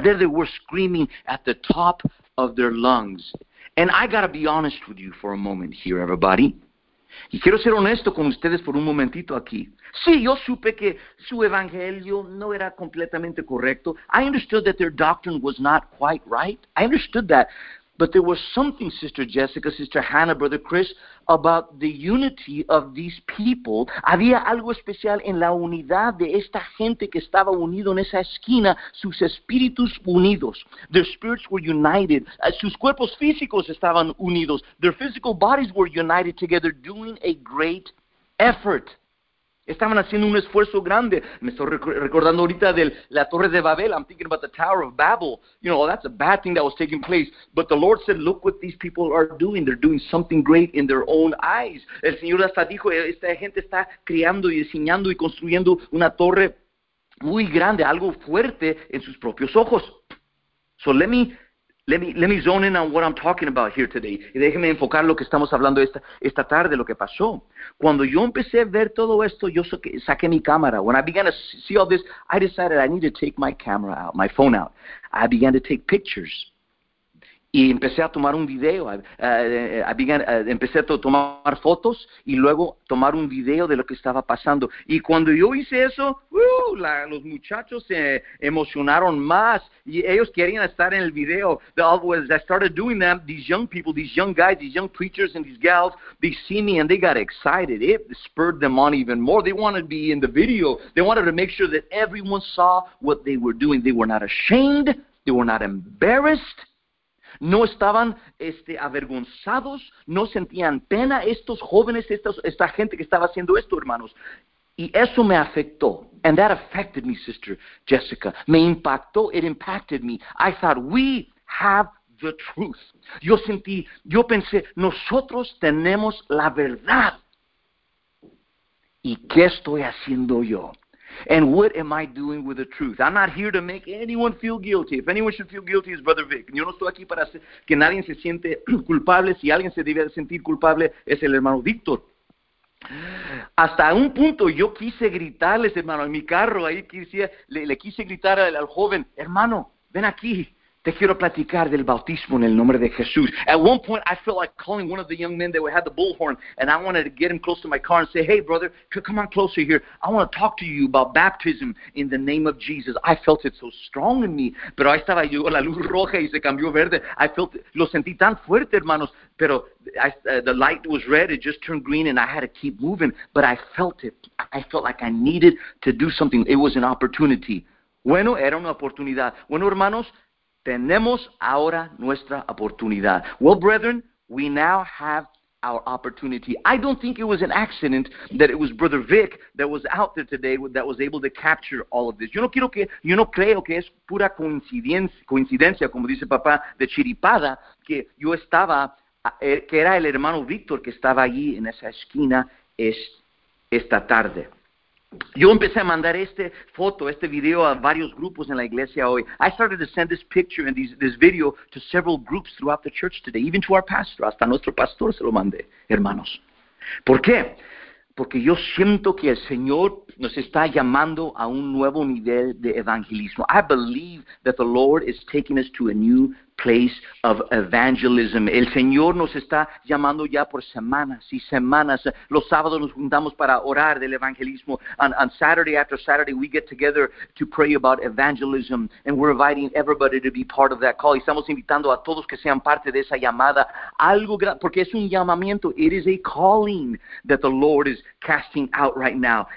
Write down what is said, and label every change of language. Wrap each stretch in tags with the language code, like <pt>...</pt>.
<en>There they were screaming at the top of their lungs. And I gotta be honest with you for a moment here, everybody.</en> <es>Y quiero ser honesto con ustedes por un momentito aquí. Sí, yo supe que su evangelio no era completamente correcto.</es> <en>I understood that their doctrine was not quite right. I understood that. But there was something, Sister Jessica, Sister Hannah, Brother Chris, about the unity of these people.</en> <es>Había algo especial en la unidad de esta gente que estaba unido en esa esquina, sus espíritus unidos.</es> <en>Their spirits were united.</en> <es>Sus cuerpos físicos estaban unidos.</es> <en>Their physical bodies were united together, doing a great effort.</en> <es>Estaban haciendo un esfuerzo grande. Me estoy recordando ahorita de la Torre de Babel.</es> <en>I'm thinking about the Tower of Babel. You know, that's a bad thing that was taking place. But the Lord said, look what these people are doing. They're doing something great in their own eyes.</en> <es>El Señor hasta dijo, esta gente está creando y diseñando y construyendo una torre muy grande, algo fuerte en sus propios ojos.</es> <en>So let me Let me zone in on what I'm talking about here today.</en> <es>Y déjeme enfocar lo que estamos hablando esta tarde, lo que pasó. Cuando yo empecé a ver todo esto, yo saqué mi cámara.</es> <en>When I began to see all this, I decided I need to take my camera out, my phone out. I began to take pictures.</en> <es>Y empecé a tomar un video. Empecé a tomar fotos y luego tomar un video de lo que estaba pasando. Y cuando yo hice eso, los muchachos se emocionaron más. Y ellos querían estar en el video.</es> <en>I started doing that. These young people, these young guys, these young preachers and these gals, they see me and they got excited. It spurred them on even more. They wanted to be in the video. They wanted to make sure that everyone saw what they were doing. They were not ashamed. They were not embarrassed.</en> <es>No estaban avergonzados, no sentían pena estos jóvenes, esta gente que estaba haciendo esto, hermanos. Y eso me afectó.</es> <en>And that affected me, Sister Jessica.</en> <es>Me impactó,</es> <en>it impacted me. I thought, we have the truth.</en> <es>Yo pensé, nosotros tenemos la verdad. ¿Y qué estoy haciendo yo?</es> <en>And what am I doing with the truth? I'm not here to make anyone feel guilty. If anyone should feel guilty, it's Brother Vic.</en> <es>Yo no estoy aquí para que nadie se siente culpable. Si alguien se debe sentir culpable, es el hermano Víctor. Hasta un punto yo quise gritarles, hermano, en mi carro. Ahí le quise gritar al joven, hermano, ven aquí. Te quiero platicar del bautismo en el nombre de Jesús.</es> <en>At one point, I felt like calling one of the young men that had the bullhorn, and I wanted to get him close to my car and say, hey, brother, come on closer here. I want to talk to you about baptism in the name of Jesus. I felt it so strong in me.</en> <es>Pero ahí estaba yo, la luz roja, y se cambió verde.</es> <en>I felt,</en> <es>lo sentí tan fuerte, hermanos.</es> <en>Pero the light was red, it just turned green, and I had to keep moving. But I felt it. I felt like I needed to do something. It was an opportunity.</en> <es>Bueno, era una oportunidad. Bueno, hermanos, tenemos ahora nuestra oportunidad.</es> <en>Well, brethren, we now have our opportunity. I don't think it was an accident that it was Brother Vic that was out there today that was able to capture all of this.</en> <es>Yo no creo que es pura coincidencia, como dice papá, de chiripada, que yo estaba, que era el hermano Víctor que estaba allí en esa esquina esta tarde. Yo empecé a mandar esta foto, este video a varios grupos en la iglesia hoy. I started to send this picture and this video to several groups throughout the church today, even to our pastor. Hasta nuestro pastor se lo mandé, hermanos. ¿Por qué? Porque yo siento que el Señor nos está llamando a un nuevo nivel de evangelismo.</es> <en>I believe that the Lord is taking us to a new place of evangelism.</en> <es>El Señor nos está llamando ya por semanas y semanas. Los sábados nos juntamos para orar del evangelismo.</es> <en>On Saturday after Saturday, we get together to pray about evangelism. And we're inviting everybody to be part of that call.</en> <es>Estamos invitando a todos que sean parte de esa llamada. Porque es un llamamiento.</es> <en>It is a calling that the Lord is casting out right now.</en>